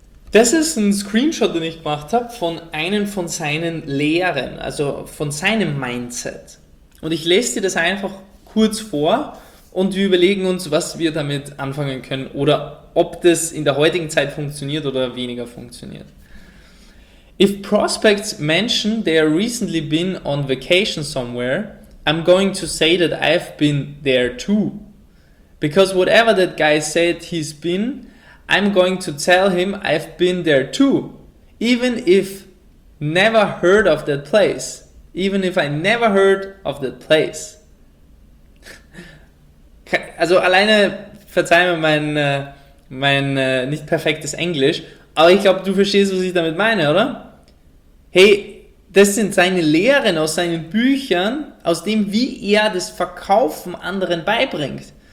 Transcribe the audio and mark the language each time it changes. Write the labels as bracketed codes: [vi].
[de] Das ist ein Screenshot, den ich gemacht habe von einem von seinen Lehren, also von seinem Mindset. Und ich lese dir das einfach kurz vor und wir überlegen uns, was wir damit anfangen können oder ob das in der heutigen Zeit funktioniert oder weniger funktioniert. [en] If prospects mention they have recently been on vacation somewhere, I'm going to say that I've been there too. Because whatever that guy said he's been, I'm going to tell him I've been there too. Even if never heard of that place. Even if I never heard of that place. [de] Also alleine, verzeih mir mein nicht perfektes Englisch, aber ich glaube, du verstehst, was ich damit meine, oder? Hey, das sind seine Lehren aus seinen Büchern, aus dem, wie er das Verkaufen anderen beibringt.